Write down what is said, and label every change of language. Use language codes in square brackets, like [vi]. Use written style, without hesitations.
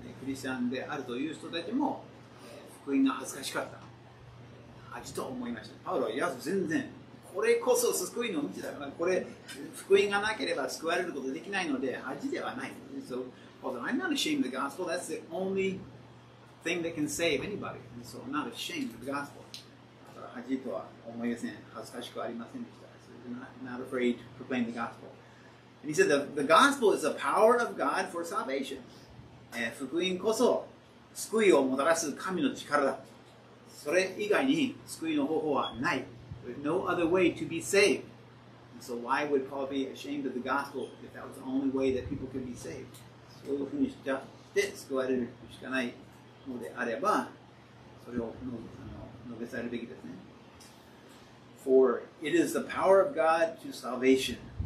[ja] クリスチャンであるという人たちも、福音が恥ずかしかった。恥と思いました。パウロは、いや、全然。これこそ救いの道だから、これ福音がなければ救われることできないので恥ではない。 [en] So, I'm not ashamed of the gospel. That's the only thing that can save anybody. So, I'm not ashamed of the gospel. [ja] 恥とは思いません。恥ずかしくありませんでした。 [en] So, not afraid to proclaim the gospel. And he said, the gospel is the power of God for salvation. [ja] 福音こそ救いをもたらす神の力だ。それ以外に救いの方法はない。 [en] With no other way to be saved. And so why would Paul be ashamed of the gospel if that was the only way that people could be saved? [ja] そういうふうにしてて救われるしかないのであれば、それを述べされるべきですね。 [en] For it is the power of God to salvation.